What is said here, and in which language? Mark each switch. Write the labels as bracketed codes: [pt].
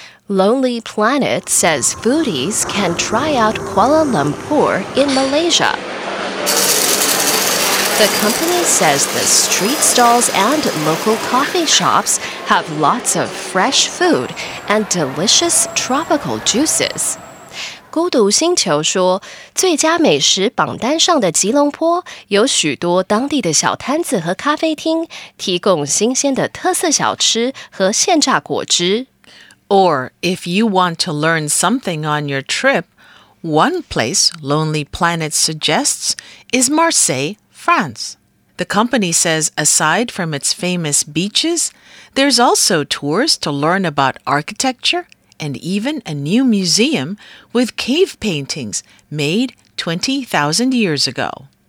[en] Lonely Planet says foodies can try out Kuala Lumpur in Malaysia. The company says the street stalls and local coffee shops have lots of fresh food and delicious tropical juices. [zh] 孤独星球说，最佳美食榜单上的吉隆坡有许多当地的小摊子和咖啡厅，提供新鲜的特色小吃和现榨果汁。 [en] Or if you want to learn something on your trip, one place Lonely Planet suggests is Marseille, France. The company says aside from its famous beaches, there's also tours to learn about architecture and even a new museum with cave paintings made 20,000 years ago.